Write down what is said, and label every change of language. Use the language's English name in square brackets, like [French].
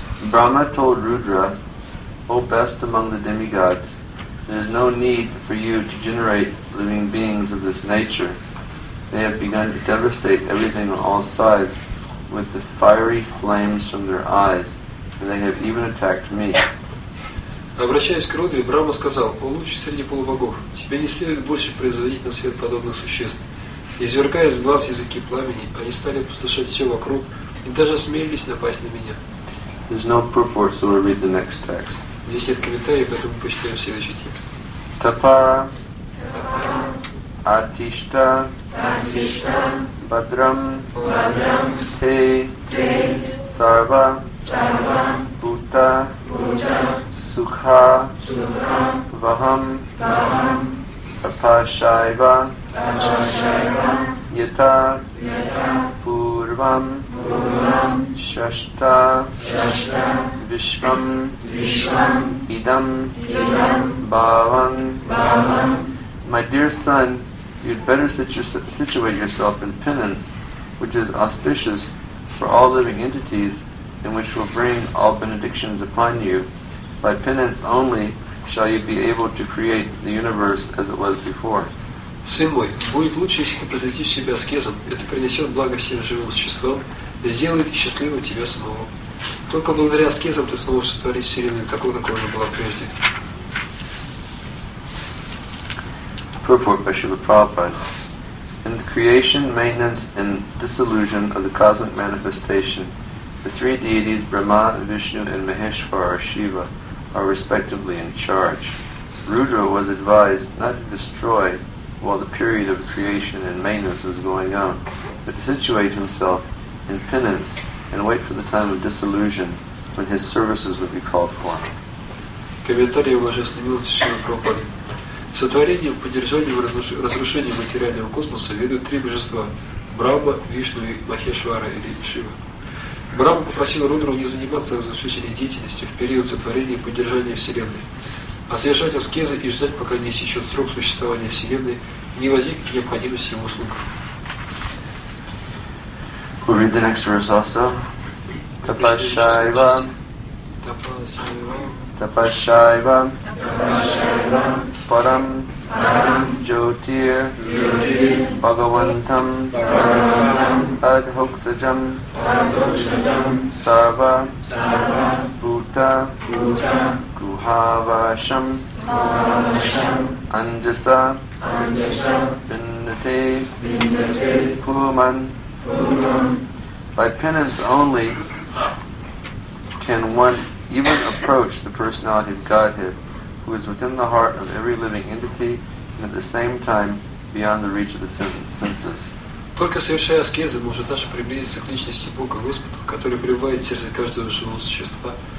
[English] Brahma told Rudra, O best among the demigods, there is no need for you to generate living beings of this nature. They have begun to devastate everything on all sides with the fiery flames from their eyes, and they have even attacked me. [Russian] Обращаясь к Рудре, Брама сказал, «О лучший среди полубогов, тебе не следует больше производить на свет подобных существ. Извергая из глаз языки пламени, они стали опустошать все вокруг и даже смелились напасть на меня». [English] There's no purport, so we'll read the next text. [Russian] Здесь нет комментариев, поэтому почитаем следующий текст. [Sanskrit] Тапара. Тапара. Атишта. Атишта. Бадрам. Бадрам. Те. Те. Сарва. Сарва. Бута. Бута. Сукха. Сукха. Вахам. Вахам. Тапашайва. Тапашайва. Йета. Йета. Пурвам. Шашта, Шашта, Вишвам, Вишвам, Идам, Идам, Баван, Баван. [English] My dear son, you'd better situate yourself in penance, which is auspicious for all living entities, and which will bring all benedictions upon you. By penance only shall you be able to create the universe as it was before. [Russian] Сын мой, будет лучше, если ты посвятишь себя аскезом. Это принесет благо всем живым существам и сделает счастливым тебя самого. Только благодаря аскезам ты сможешь сотворить Вселенную такой, какой она была прежде. [English] Purport by Srila Prabhupada. In the creation, maintenance and dissolution of the cosmic manifestation, the three deities Brahma, Vishnu and Maheshwara Shiva are respectively in charge. Rudra was advised not to destroy while the period of creation and maintenance was going on, but to situate himself in penance and wait for the time of disillusion when his services would be called for. [Russian] Комментарий уважаемый Божественный Пропад. Сотворение, поддержание и разрушение материального космоса ведут три божества – Брахма, Вишну и Махешвара или Шива. Брахма попросил Рудру не заниматься разрушительной деятельностью в период сотворения и поддержания Вселенной, а совершать аскезы и ждать, пока не истечет срок существования Вселенной и не возникнет необходимости его услуг. [English] We'll read the next verse also. [Sanskrit] Тапашайва. Тапашайва. Тапашайва. Парам. Парам. Джотир. Джотир. Бхагавантам. Бхагавантам. Адхоксаджам. Адхоксаджам. Сарва. Сарва. Бута. Бута. Guhavasham, Guhavasham, Anjasa, Anjasa, Bindate, Bindate, Puman, Puman. [English] By penance only can one even approach the personality of Godhead, who is within the heart of every living entity and at the same time beyond the reach of the senses. [Russian] Только совершая аскезы, может даже приблизиться к личности Бога Господа, который пребывает в сердце каждого живого существа.